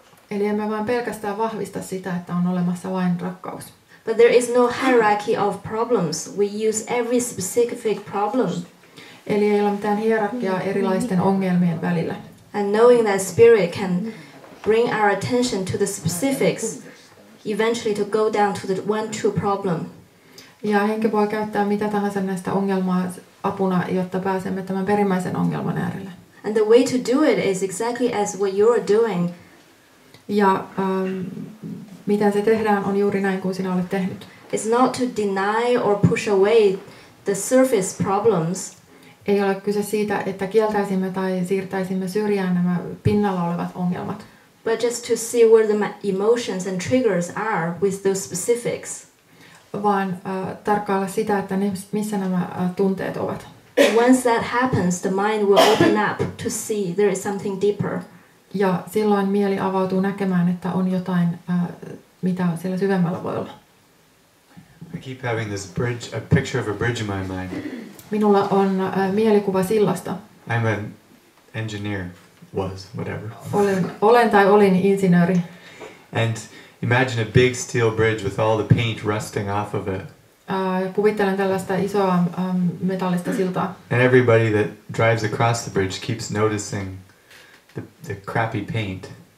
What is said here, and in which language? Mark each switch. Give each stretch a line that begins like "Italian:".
Finnish: Eli emme vain pelkästään vahvista sitä, että on olemassa vain rakkaus.
English: But there is no hierarchy of problems. We use every specific problem.
Finnish: Eli ei ole mitään hierarkiaa erilaisten ongelmien välillä.
English: And knowing that spirit can bring our attention to the specifics, eventually to go down to the one true problem.
Finnish: Ja henki voi käyttää mitä tahansa näistä ongelmaa apuna, jotta pääsemme tämän perimmäisen ongelman äärelle.
English: And the way to do it is exactly as what you're doing.
Finnish: Ja miten se tehdään on juuri näin kuin sinä olet tehnyt.
English: It's not to deny or push away the surface problems.
Finnish: ei ole kyse siitä, että kieltäisimme tai siirtäisimme syrjään nämä pinnalla olevat ongelmat.
English: But just to see where the emotions and triggers are with those specifics.
Finnish: Vaan tarkkailla sitä, että ne, missä nämä tunteet ovat.
English: Once that happens, the mind will open up to see there is something deeper.
Finnish: Ja silloin mieli avautuu näkemään, että on jotain, mitä siellä syvemmällä voi olla.
English: I keep having this bridge, a picture of a bridge in my mind.
Finnish: Minulla on mielikuva sillasta.
English: I'm an engineer, was, whatever.
Finnish: Olen tai olin insinööri.
English: And imagine a big steel bridge with all the paint rusting off of it.
Finnish: Kuvittelen tällaista isoa metallista siltaa.
English: And everybody that drives across the bridge keeps noticing the crappy paint.